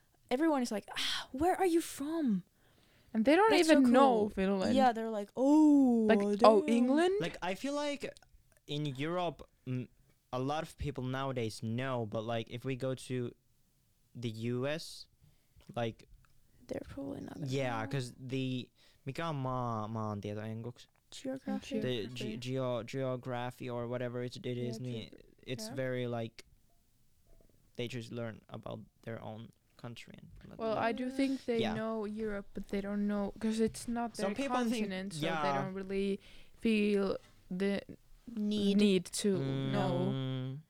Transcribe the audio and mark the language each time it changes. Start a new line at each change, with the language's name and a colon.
English: Everyone is like, where are you from? And they don't know Finland. Yeah, they're like, oh. Like, damn. Oh, England? Like, I feel like in Europe, a lot of people nowadays know, but, like, if we go to the US, like... They're probably not gonna Yeah, because the...
Finnish: Mikä on maan tieto englanniksi?
English: Geography. The geography or whatever it is. It's very, like, they just learn about their own country. And well, I do think they know Europe, but they don't know... Because it's not their Some people continent, think, so they don't really feel the need to know.